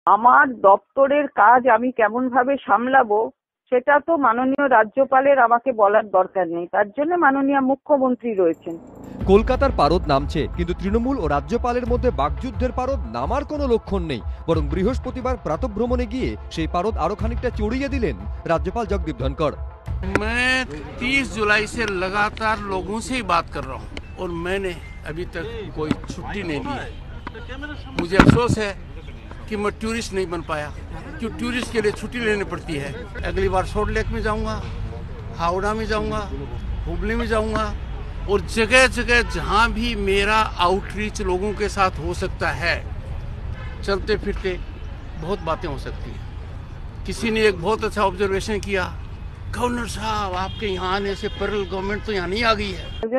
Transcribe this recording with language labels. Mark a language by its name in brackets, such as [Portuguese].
[Bangla] আমার দপ্তরের কাজ আমি কেমন ভাবে সামলাবো সেটা তো মাননীয় রাজ্যপালের আমাকে বলার দরকার নেই, তার জন্য মাননীয় মুখ্যমন্ত্রী রয়েছেন। কলকাতার পারদ নামছে, কিন্তু তৃণমূল ও রাজ্যপালের মধ্যে বাগযুদ্ধের পারদ নামার কোনো লক্ষণ নেই, বরং বৃহস্পতিবার প্রাতঃভ্রমণে গিয়ে সেই পারদ আরো খানিকটা চড়িয়ে দিলেন রাজ্যপাল জগদীপ ধনখড়। [Hindi] मैं 30 जुलाई से लगातार लोगों से ही बात कर रहा हूं और मैंने अभी तक कोई छुट्टी नहीं ली। मुझे अफसोस है कि मैं टूरिस्ट नहीं बन पाया, क्यों टूरिस्ट के लिए छुट्टी लेनी पड़ती है। अगली बार सोल्ट लेक में जाऊंगा, हावड़ा में जाऊंगा, हुबली में जाऊंगा, और जगह जगह जहां भी मेरा आउटरीच लोगों के साथ हो सकता है, चलते फिरते बहुत बातें हो सकती हैं। किसी ने एक बहुत अच्छा ऑब्जर्वेशन किया, গভর্নর সাহেব আপকে ইহা আনে সে পেরল গভর্নমেন্ট তো ইহা নেই আ গই হ্যায়।